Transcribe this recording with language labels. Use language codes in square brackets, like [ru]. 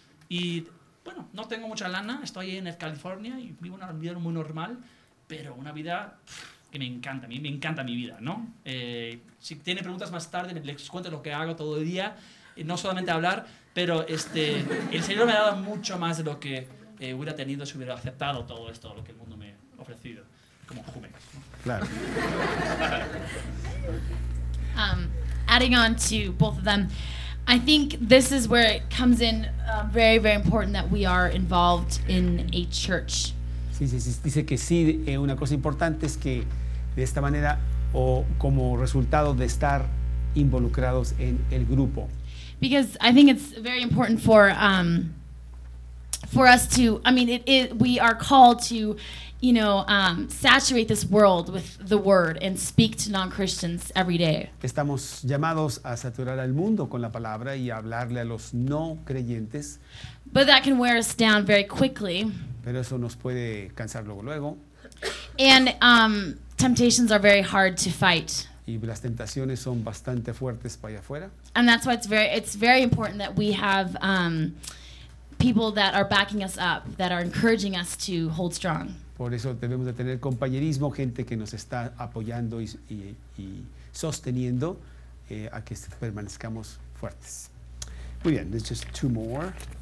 [es] Y bueno, no tengo mucha lana, estoy en California y vivo una vida muy normal, pero una vida que me encanta, a mí me encanta mi vida, ¿no? Si tienen preguntas más tarde, les cuento lo que hago todo el día, no solamente hablar, pero el Señor me ha dado mucho más de lo que hubiera tenido si hubiera aceptado todo esto, lo que el mundo me ha ofrecido, como Jumex, ¿no? Claro. [en] Adding on to both of them, I think this is where it comes in very, very important that we are involved in a church. [es] Sí, sí, sí. Dice que sí, una cosa importante es que de esta manera o como resultado de estar involucrados en el grupo. [en] Because I think it's very important for us to, I mean, we are called to, you know, saturate this world with the word and speak to non-Christians every day. [es] Estamos llamados a saturar al mundo con la palabra y hablarle a los no creyentes. [en] But that can wear us down very quickly. [es] Pero eso nos puede cansar luego. [en] And temptations are very hard to fight. [es] Y las tentaciones son bastante fuertes para allá afuera. [en] And that's why it's very important that we have people that are backing us up, that are encouraging us to hold strong. [es] Por eso debemos de tener compañerismo, gente que nos está apoyando y sosteniendo a que permanezcamos fuertes. Muy bien, [en] let's just two more.